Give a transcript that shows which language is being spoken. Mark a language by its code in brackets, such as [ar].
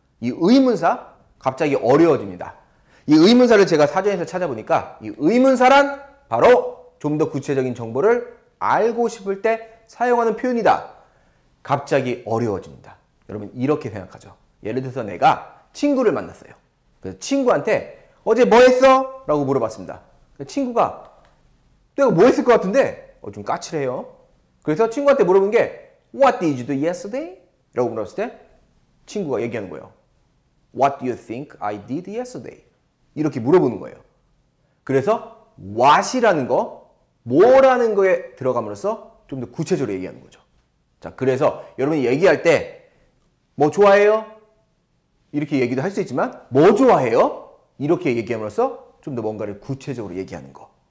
[ko] 이 의문사 갑자기 어려워집니다. 이 의문사를 제가 사전에서 찾아보니까 이 의문사란 바로 좀 더 구체적인 정보를 알고 싶을 때 사용하는 표현이다. 갑자기 어려워집니다. 여러분 이렇게 생각하죠. 예를 들어서 내가 친구를 만났어요. 그래서 친구한테 어제 뭐 했어? 라고 물어봤습니다. 친구가 내가 뭐 했을 것 같은데? 좀 까칠해요. 그래서 친구한테 물어본 게 [en] What did you do yesterday? [ko] 라고 물었을 때 친구가 얘기하는 거예요. [en] What do you think I did yesterday? [ko] 이렇게 물어보는 거예요. 그래서 what이라는 거, 뭐라는 거에 들어감으로써 좀 더 구체적으로 얘기하는 거죠. 자, 그래서 여러분이 얘기할 때 뭐 좋아해요? 이렇게 얘기도 할 수 있지만 뭐 좋아해요? 이렇게 얘기함으로써 좀 더 뭔가를 구체적으로 얘기하는 거.